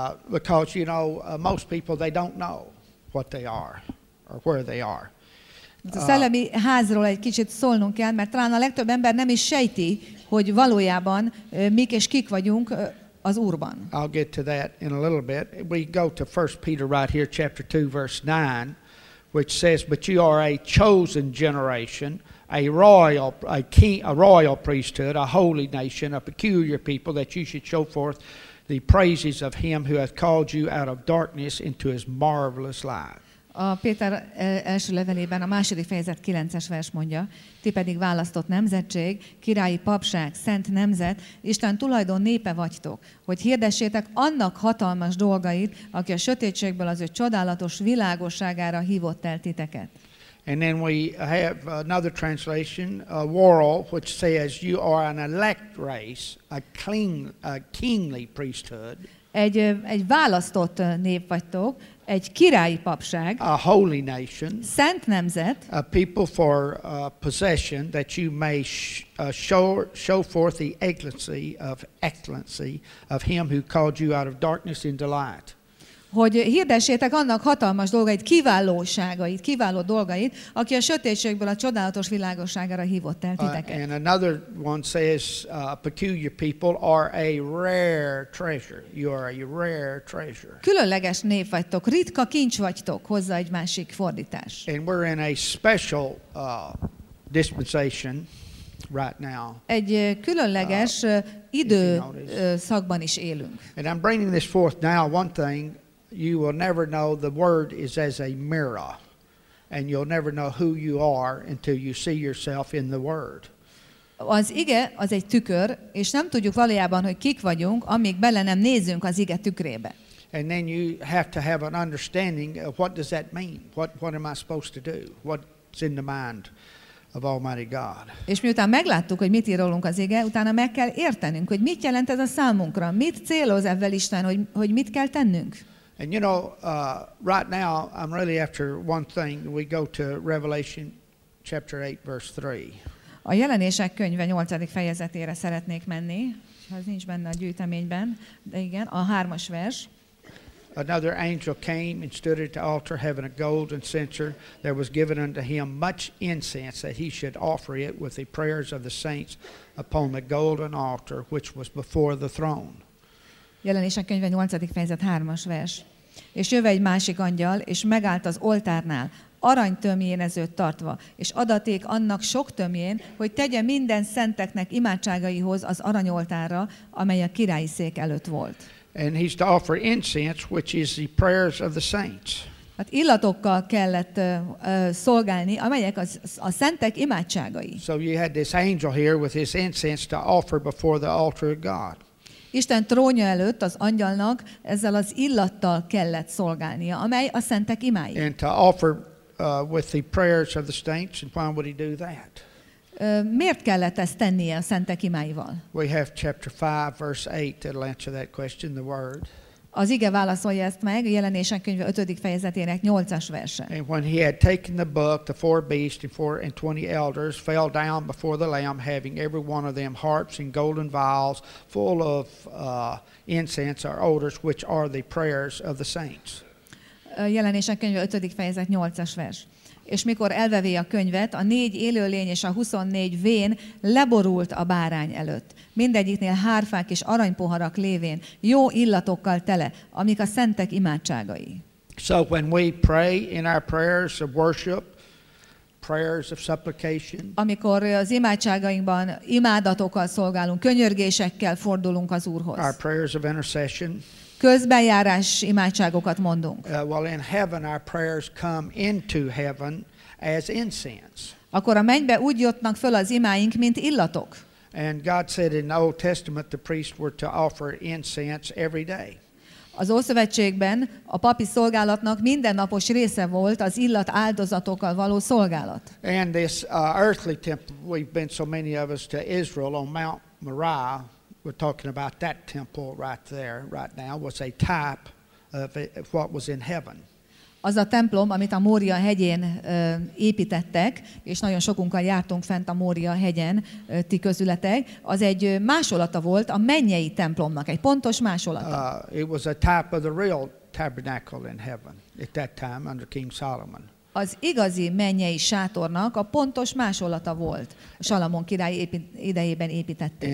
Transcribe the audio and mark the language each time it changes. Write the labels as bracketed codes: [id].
[en] Because you know most people they don't know what they are or where they are. [hu] A szellemi házról egy kicsit szólnunk kell, mert talán a legtöbb ember nem is sejti, hogy valójában mik és kik vagyunk az Úrban. [en] I'll get to that in a little bit. We go to 1 Peter right here, chapter 2, verse 9, which says, but you are a chosen generation, a royal priesthood, a holy nation, a peculiar people, that you should show forth the praises of him who hath called you out of darkness into his marvelous light. [hu] A Péter első levelében a második fejezet 9-es vers mondja, ti pedig választott nemzetség, királyi papság, szent nemzet, Isten tulajdon népe vagytok, hogy hirdessétek annak hatalmas dolgait, aki a sötétségből az ő csodálatos világosságára hívott el titeket. [en] And then we have another translation, a world, which says you are an elect race, a kingly priesthood. [hu] Egy választott nép vagytok, egy királyi papság, [en] a holy nation, [hu] szent nemzet, [en] a people for possession, that you may show forth the excellency of him who called you out of darkness into light. [hu] Hogy hirdessétek annak hatalmas dolgait, kiválóságait, kiváló dolgait, aki a sötétségből a csodálatos világosságára hívott el titeket. [en] And another one says, peculiar people are a rare treasure. You are a rare treasure. [hu] Különleges nép vagytok, ritka kincs vagytok, hozza egy másik fordítás. [en] And we're in a special dispensation right now. [hu] Egy különleges időszakban is élünk. [en] And I'm bringing this forth now, one thing, you will never know the word is as a mirror, and you'll never know who you are until you see yourself in the word. [hu] Az ige az egy tükör, és nem tudjuk valójában, hogy kik vagyunk, amíg bele nem nézünk az ige tükrébe. [en] And then you have to have an understanding of what does that mean? What am I supposed to do? What's in the mind of Almighty God? [hu] És miután megláttuk, hogy mit ír rólunk az ige, utána meg kell értenünk, hogy mit jelent ez a számunkra, mit céloz ebben Isten, hogy mit kell tennünk. [en] And you know, right now I'm really after one thing. We go to Revelation chapter 8, verse 3. [hu] A jelenések könyve 8. fejezetére szeretnék menni. Ez nincs benne a gyűjteményben, de igen, a 3. vers. [en] Another angel came and stood at the altar, having a golden censer. There was given unto him much incense, that he should offer it with the prayers of the saints upon the golden altar, which was before the throne. [hu] Jelenések könyve 8. fejezet 3. vers. És jöve egy másik angyal, és megállt az oltárnál, aranytömjénezőt tartva, és adaték annak sok tömjén, hogy tegye minden szenteknek imádságaihoz az aranyoltárra, amely a királyi szék előtt volt. [en] And he's to offer incense, which is the prayers of the saints. [hu] Hát illatokkal kellett szolgálni, amelyek a szentek imádságai. [en] So you had this angel here with his incense to offer before the altar of God. [hu] Isten trónja előtt az angyalnak ezzel az illattal kellett szolgálnia, amely a szentek imái. [en] And to offer with the prayers of the saints, and why would he do that? [hu] Miért kellett ezt tennie a szentek imáival? [en] We have chapter 5, verse 8, that'll answer that question, the word. [hu] Az ige válaszolja ezt meg, a jelenések könyve 5. fejezetének 8. verse. [en] And when he had taken the book, the four beasts and 24 elders fell down before the Lamb, having every one of them harps and golden vials full of incense or odors, which are the prayers of the saints. [hu] A jelenések könyve 5. fejezet 8. vers. És mikor elvevé a könyvet, a 4 élőlény és a 24 vén leborult a bárány előtt. Mindegyiknél hárfák és aranypoharak lévén, jó illatokkal tele, amik a szentek imádságai. [en] So when we pray in our prayers of worship, prayers of supplication, [hu] amikor az imádságainkban imádatokkal szolgálunk, könyörgésekkel fordulunk az Úrhoz, [en] our prayers of intercession, [hu] közbenjárás imádságokat mondunk. [en] Well, in heaven our prayers come into heaven as incense. [hu] Akkor a mennybe úgy jutnak föl az imáink, mint illatok. [en] And God said in the Old Testament the priests were to offer incense every day. [hu] Az Ószövetségben a papi szolgálatnak mindennapos része volt az illat áldozatokkal való szolgálat. [en] And this earthly temple, we've been so many of us to Israel on Mount Moriah. We're talking about that temple right there, right now, was a type of what was in heaven. [hu] Az a templom, amit a Mória hegyén építettek, és nagyon sokunkkal jártunk fent a Mória hegyen, ti közületek, az egy másolata volt a mennyei templomnak, egy pontos másolata. [en] It was a type of the real tabernacle in heaven at that time under King Solomon. [hu] az igazi mennyei sátornak a pontos másolata volt. A Salamon király idejében építették.